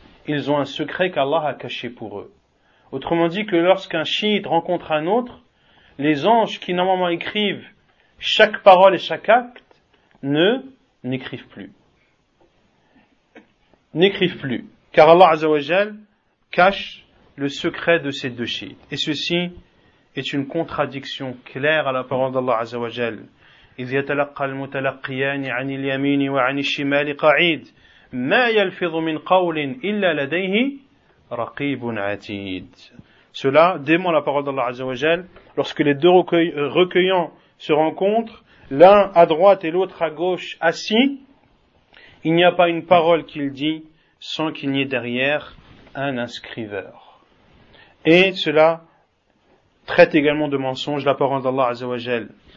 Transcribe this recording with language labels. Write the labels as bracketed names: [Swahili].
[French] Ils ont un secret qu'Allah a caché pour eux. Autrement dit que lorsqu'un chiite rencontre un autre, les anges qui normalement écrivent chaque parole et chaque acte, N'écrivent plus. Car Allah Azza wa Jal cache le secret de ces deux chiites. Et ceci est une contradiction claire à la parole d'Allah Azza wa Jal. [Arabic] إذ يتلقى المتلقيان عن اليمين وعن الشمال قعيد ما يلفظ من قول إلا لديه رقيب عتيد. [French] Cela dément la parole d'Allah Azza wa Jal lorsque les deux recueillants se rencontrent, l'un à droite et l'autre à gauche assis, il n'y a pas une parole qu'il dit sans qu'il n'y ait derrière un inscriveur. Et cela traite également de mensonge la parole d'Allah Azza wa Jal.